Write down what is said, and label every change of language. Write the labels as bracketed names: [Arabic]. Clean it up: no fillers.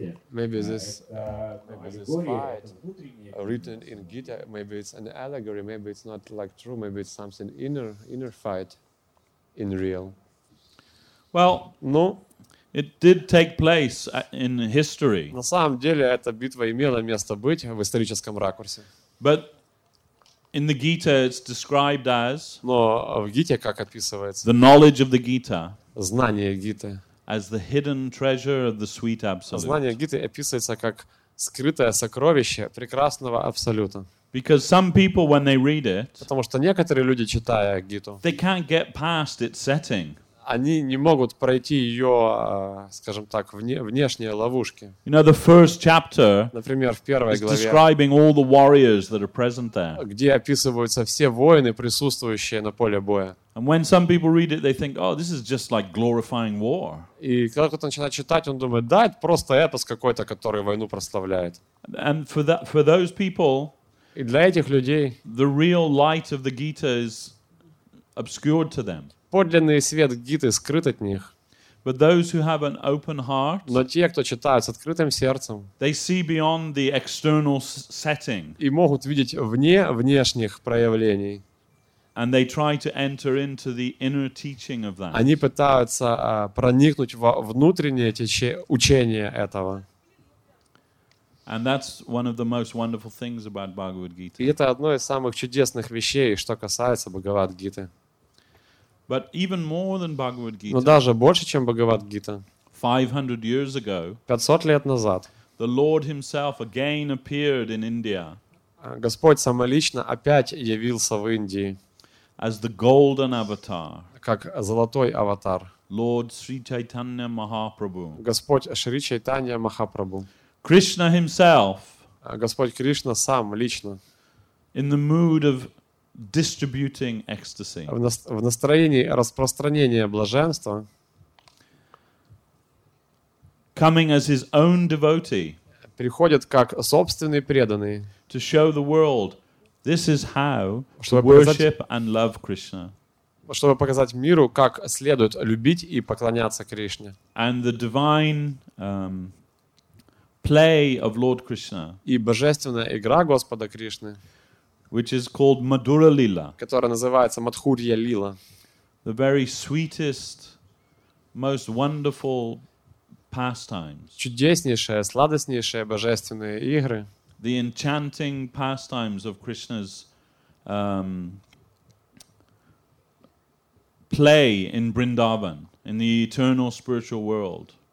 [English] Maybe this fight written in Gita, maybe it's an allegory, maybe it's not like true, maybe it's something inner fight in real. Well, no, it did take place in history. [Russian] На самом деле эта битва имела место быть в историческом ракурсе. [English] But in the Gita it's described as. [Russian] Но в Гите как описывается? [English] The knowledge of the Gita. [Russian] Знание Гиты. [English] As the hidden treasure of the sweet absolute. [Russian] Знание Гиты описывается как скрытое сокровище прекрасного абсолюта. [English] Because some people, when they read it, [Russian] потому что некоторые люди, читая Гиту, [English] they can't get past its setting. [Russian] Они не могут пройти ее, скажем так, внешние ловушки. [English] You know, the first chapter, [Russian] например, в первой [English] главе, describing all the warriors that are present there, [Russian] где описываются все воины, присутствующие на поле боя. [English] And when some people read it, they think, "Oh, this is just like glorifying war." [Russian] И когда кто-то начинает читать, он думает, да, это просто эпос какой-то, который войну прославляет. [English] And for that, for those people, [Russian] и для этих людей, [English] the real light of the Gita is obscured to them. [Russian] Подлинный свет Гиты скрыт от них. [English] But those who have an open heart, [Russian] но те, кто читают с открытым сердцем, [English] they see beyond the external setting. [Russian] И могут видеть вне внешних проявлений. [English] And they try to enter into the inner teaching of that. [Russian] Они пытаются проникнуть во внутреннее учение этого. [English] And that's one of the most wonderful things about Bhagavad Gita. [Russian] И это одно из самых чудесных вещей, что касается Бхагавад Гиты. [English] But even more than Bhagavad Gita. [Russian] Но даже больше, чем Бхагавад Гита. [English] 500 years ago. [Russian] 500 лет назад. [English] The Lord Himself again appeared in India. [Russian] Господь самолично опять явился в Индии. [English] As the golden avatar. [Russian] Как золотой аватар. [English] Lord Sri Chaitanya Mahaprabhu. [Russian] Господь Шри Чайтанья Махапрабху. [English] Krishna Himself. [Russian] Господь Кришна сам лично. [English] In the mood of distributing ecstasy. [Russian] В настроении распространения блаженства. [English] Coming as His own devotee. [Russian] Приходит как собственный преданный. [English] To show the world. This is how to worship and love Krishna. [Russian] Чтобы показать миру, как следует любить и поклоняться Кришне. [English] And the divine play of Lord Krishna. [Russian] И божественная игра Господа Кришны. [English] Which is called Madhura Lila. [Russian] Которая называется Мадхурья Лила. [English] The very sweetest, most wonderful pastimes. [Russian] Чудеснейшие, сладостнейшие божественные игры. [English] The enchanting pastimes of Krishna's play in Vrindavan, in the eternal spiritual world.